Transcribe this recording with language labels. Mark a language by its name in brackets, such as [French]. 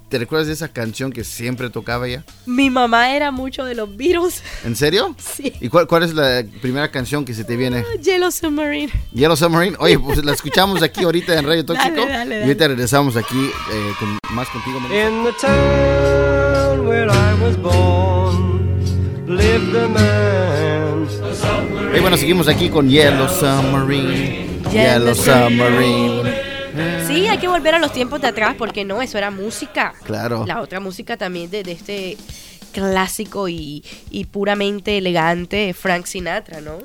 [Spanish] ¿Te recuerdas de esa canción que siempre tocaba ella? Mi mamá era mucho de los Beatles. ¿En serio? Sí. ¿Y cuál es la primera canción que se te viene? Yellow Submarine. ¿Yellow Submarine? Oye, pues la escuchamos aquí ahorita en Radio Tóxico. Dale. Y ahorita regresamos aquí con más contigo, Melissa. [English] In the town where I was born, lived a man. [Spanish] Y bueno, seguimos aquí con Yellow Submarine. Sí, hay que volver a los tiempos de atrás porque no, eso era música. Claro. La otra música también de este clásico y puramente elegante, Frank Sinatra, ¿no?